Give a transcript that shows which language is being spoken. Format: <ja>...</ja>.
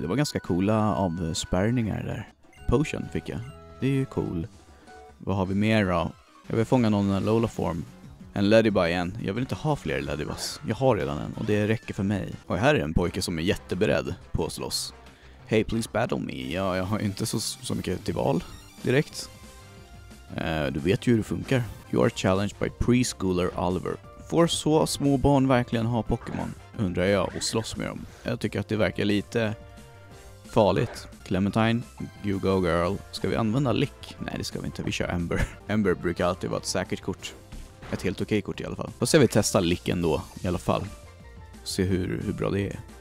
<sv>Det var ganska coola avspärrningar där. Potion fick jag. Det är ju cool. Vad har vi mer då? Jag vill fånga någon Alola form. En Ladybug igen. Jag vill inte ha fler Ladybugs. Jag har redan en och det räcker för mig. Och här är en pojke som är jätteberedd på att slåss.</sv> <en>Hey, please battle me.</en> <sv>Ja, jag har inte så mycket till val direkt. Du vet ju hur det funkar.</sv> <en>You are challenged by preschooler Oliver.</en> <sv>Får så små barn verkligen ha Pokémon? Undrar jag och slåss med dem. Jag tycker att det verkar lite farligt. Clementine,</sv> <en>you go girl.</en> <sv>Ska vi använda Lick? Nej, det ska vi inte. Vi kör Ember. Ember brukar alltid vara ett säkert kort. Ett helt okej kort i alla fall. Då ska vi testa Lick ändå, i alla fall. Se hur bra det är.</sv>